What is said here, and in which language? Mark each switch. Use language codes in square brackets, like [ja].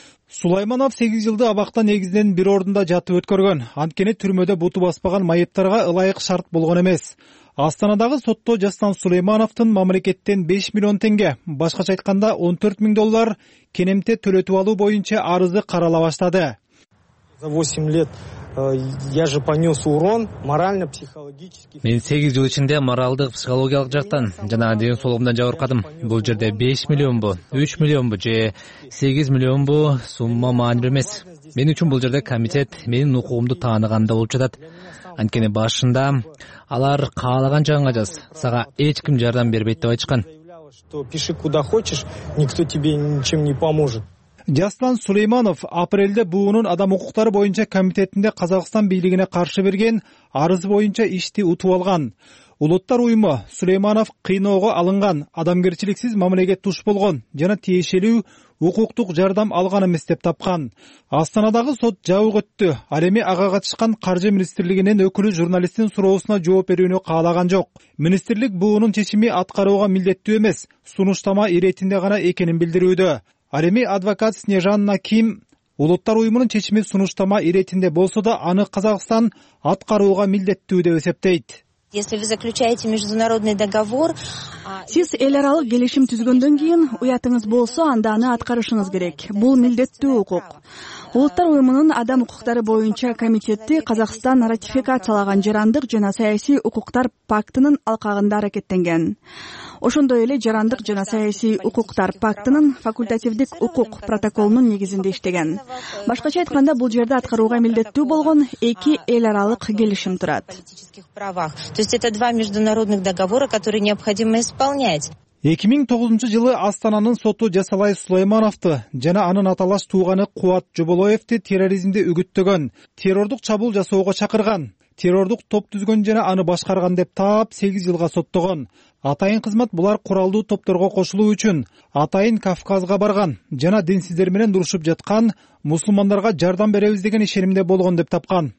[ky] Сулайманов 8 жылды абакта негизинен бир ордунда жатып өткөргөн. Анткени түрмөдө буту баспаган майыптарга ылайык шарт болгон эмес. Астанадагы сотто Жаслан Сулеймановдун мамлекеттен 5 миллион тенге, башкача айтканда $14,000 кенемте төлөтүп алуу боюнча арызы карала баштады. [ru] За 8 лет я же понес урон морально, психологически. [ky] Мен 8 жыл ичинде моралдык, психологиялык жактан жана ден соолугумдан жабыркадым. Бул жерде 5 миллионбу, 3 миллионбу же 8 миллионбу сумма маани бар эмес. Мен үчүн бул жерде комитет менин укугумду тааныганда болуп жатат. Анткени башында алар каалаган жагыңа жаз, сага эч ким жардам бербейт деп айтышкан. [ru] Что пиши куда хочешь, никто тебе ничем не поможет. [ky] Жаслан Сулейманов апрелде буунун адам укуктары боюнча комитетинде Казакстан бийлигине каршы берген арызы боюнча ишти утуп алган. Улуттар уюму Сулейманов кыйноого алынган, адамгерчиликсиз мамлекет туш болгон жана тиешелүү укуктук жардам алган эмес деп тапкан. Астанадагы сот жабык өттү. Ал эми ага катышкан Каржы министрлигинин өкүлү журналисттин суроосуна жооп берүүнү каалаган жок. Министрлик буунун чечими аткарууга милдеттүү эмес, сунуштама иретинде гана экенин билдирүүдө. Ал эми адвокат Снежана Ким Улуттар уюмунун чечими сунуштама иретинде болсо да, аны Казакстан аткарууга милдеттүү деп эсептейт. [ru] Если вы заключаете международный договор, [ky] сиз эл аралык келишим түзгөндөн кийин уятыңыз болсо, анда аны аткарышыңыз керек. Бул милдеттүү укук. Улуттар уюмунун адам укуктары боюнча комитети Казакстан ратификациялаган жарандык жана саясий укуктар пактынын алкагында аракеттенген. Ошондой эле жарандык жана саясий укуктар пактынын факультативдик укук протоколунун негизинде иштеген. Башкача айтканда, бул жерде аткарууга милдеттүү болгон эки эл аралык келишим турат. [ru] То есть это два международных договора, которые необходимо исполнять. [ky] 2009 жылы Астананын соту Жасалай Сулаймановду жана анын аталаш тууганы Кубат Жоболоевди терроризмди үгүттөгөн, террордук чабуул жасоого чакырган, террордук топ түзгөн жана аны башкарган деп таап 8 жылга соттогон. Атайын кызмат булар куралдуу топторго кошулуу үчүн атайын Кавказга барган жана динсиздер менен урушуп жаткан мусулмандарга жардам беребиз деген ишенимде болгон деп тапкан.